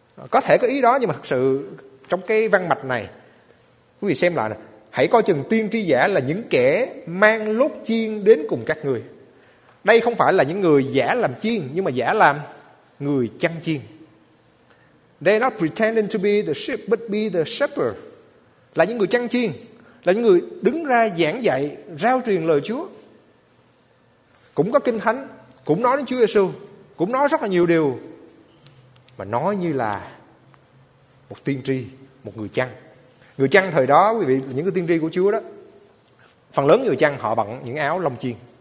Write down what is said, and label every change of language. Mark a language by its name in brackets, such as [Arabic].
[Vietnamese] Có thể có ý đó, nhưng mà thực sự trong cái văn mạch này, quý vị xem lại nè, hãy coi chừng tiên tri giả là những kẻ mang lốt chiên đến cùng các người. Đây không phải là những người giả làm chiên, nhưng mà giả làm người chăn chiên. [English] They're not pretending to be the sheep, but be the shepherd. [Vietnamese] Là những người chăn chiên, là những người đứng ra giảng dạy, rao truyền lời Chúa. Cũng có kinh thánh, cũng nói đến Chúa Giê-xu, cũng nói rất là nhiều điều, mà nói như là một tiên tri, một người chăn. Người chăn thời đó, quý vị, những cái tiên tri của Chúa đó, phần lớn người chăn họ bận những áo lông chiên.